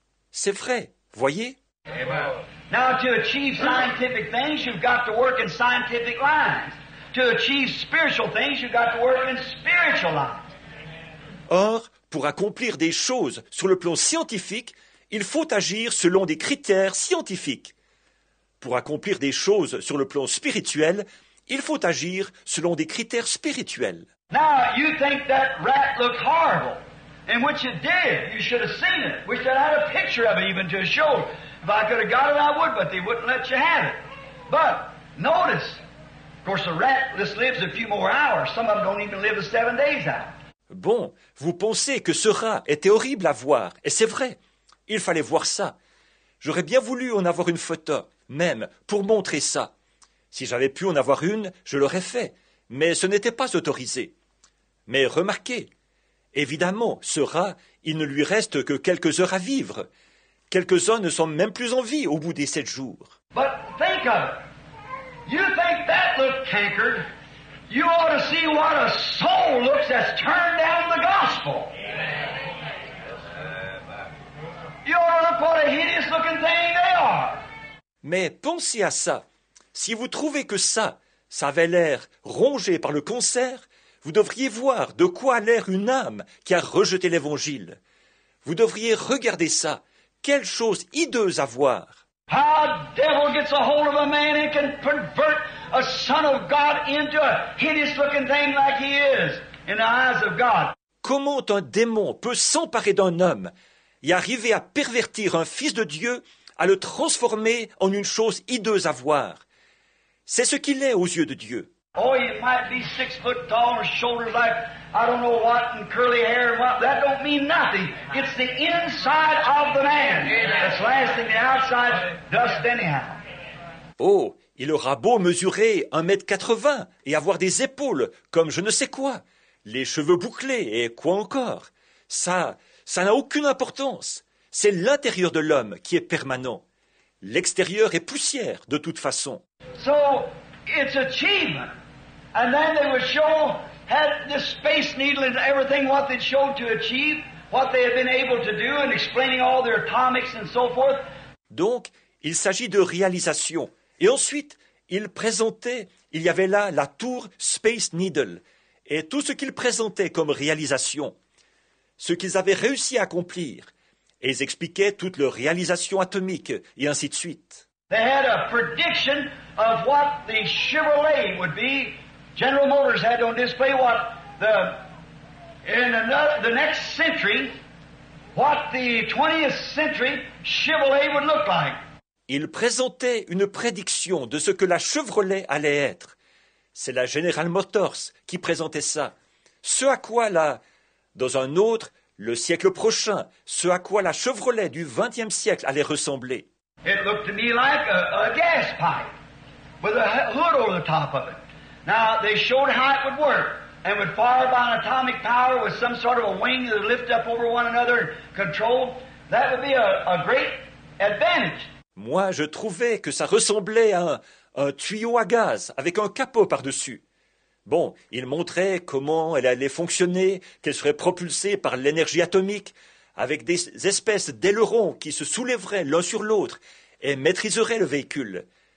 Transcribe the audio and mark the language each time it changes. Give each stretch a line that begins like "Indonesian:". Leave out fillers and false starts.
French: C'est vrai, voyez?
English: Amen. Now to achieve scientific things, you've got to work in scientific lines. To achieve spiritual things, you've got to work in spiritual lines.
French: Or, pour accomplir des choses sur le plan scientifique, il faut agir selon des critères scientifiques. Pour accomplir des choses sur le plan spirituel, il faut agir selon des critères spirituels.
English: Now, you think that rat looked horrible. And which it did. You should have seen it. Wish I had a picture of it even to show. If I could have got it, I would, but they wouldn't let you have it. But, notice, of course, the rat just lives a few more hours. Some of them don't even live 7 days out.
French: Bon, vous pensez que ce rat était horrible à voir. Et c'est vrai. Il fallait voir ça. J'aurais bien voulu en avoir une photo, même, pour montrer ça. Si j'avais pu en avoir une, je l'aurais fait. Mais ce n'était pas autorisé. Mais remarquez, évidemment, ce rat, il ne lui reste que quelques heures à vivre. Quelques-uns ne sont même plus en vie au bout des 7 jours.
English: But think of it. You think that looked cankered? You ought to see what a soul looks that's turned down the gospel. You ought to look what a hideous looking thing they are.
French: Mais pensez à ça. Si vous trouvez que ça avait l'air rongé par le cancer, vous devriez voir de quoi a l'air une âme qui a rejeté l'Évangile. Vous devriez regarder ça. Quelle chose hideuse à voir.
English: How the devil gets a hold of a man and can pervert a son of God into a hideous looking thing like he is in the eyes of God.
French: Comment un démon peut s'emparer d'un homme et arriver à pervertir un fils de Dieu, à le transformer en une chose hideuse à voir? C'est ce qu'il est aux yeux de Dieu.
English: Oh, he might be 6 foot tall, shoulders like I don't know what, and curly hair and what. That don't mean nothing. It's the inside of the man that's lasting. The outside dust anyhow.
French: Oh, il aura beau mesurer 1m80 et avoir des épaules comme je ne sais quoi, les cheveux bouclés et quoi encore. Ça n'a aucune importance. C'est l'intérieur de l'homme qui est permanent. L'extérieur est poussière de toute façon.
English: So, it's a team. And then they would show had the space needle and everything what they showed to achieve, what they had been able to do and explaining all their atomics and so forth.
French: Donc, il s'agit de réalisation. Et ensuite, il présentait, il y avait là la tour Space Needle et tout ce qu'ils présentaient comme réalisation, ce qu'ils avaient réussi à accomplir. Et ils expliquaient toute leur réalisation atomique et ainsi de suite.
English: They had a prediction of what the Chevrolet would be. General Motors had on display what the in the next century, what the 20th century Chevrolet would look like.
French: Il présentait une prédiction de ce que la Chevrolet allait être. C'est la General Motors qui présentait ça. Ce à quoi la, dans un autre, le siècle prochain, ce à quoi la Chevrolet du 20e siècle allait ressembler.
English: It looked to me like a gas pipe with a hood over the top of it. Now, they showed how it would work and would fire by an atomic power with some sort of a wing that would lift up over one another and control. That would be a great advantage.
French: Moi, je trouvais que ça ressemblait à un tuyau à gaz avec un capot par-dessus. Bon, il montrait comment elle allait fonctionner, qu'elle serait propulsée par l'énergie atomique, avec des espèces d'ailerons qui se soulèveraient l'un sur l'autre et maîtriseraient le véhicule.